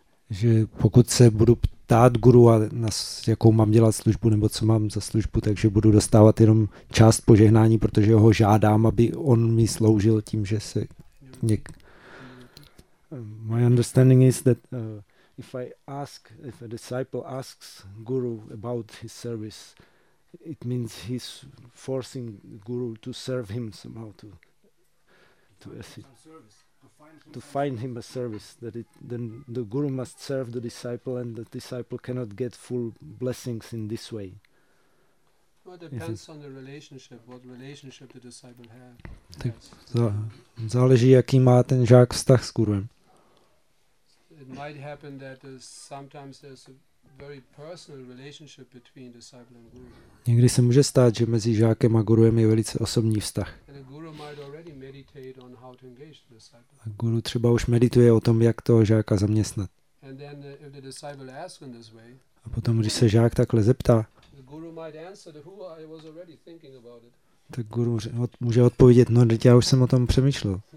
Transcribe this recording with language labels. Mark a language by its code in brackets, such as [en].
[cs] Že pokud se budu ptát guru, a na jakou mám dělat službu nebo co mám za službu, takže budu dostávat jenom část požehnání, protože ho žádám, aby on mi sloužil tím, že se něk... [en] My understanding is that if a disciple asks guru about his service, it means he's forcing guru to serve him somehow, to find him a service, that it then the guru must serve the disciple and the disciple cannot get full blessings in this way. Well, it depends on the relationship, what relationship the disciple has. [cs] Záleží, jaký má ten žák vztah s guruem. [en] It might happen that sometimes there's a very personal relationship between disciple and guru. [cs] Někdy se může stát, že mezi žákem a guruem je velice osobní vztah. [en] And a guru might already meditate on how to engage the disciple. [cs] A guru třeba už medituje o tom, jak toho žáka zaměstnat. [en] And then if the disciple asks in this way, [cs] a potom, když se žák takhle zeptá, [en] the guru might answer the who I was already thinking about it. [cs] Tak guru může odpovědět, no, teď já už jsem o tom přemýšlel.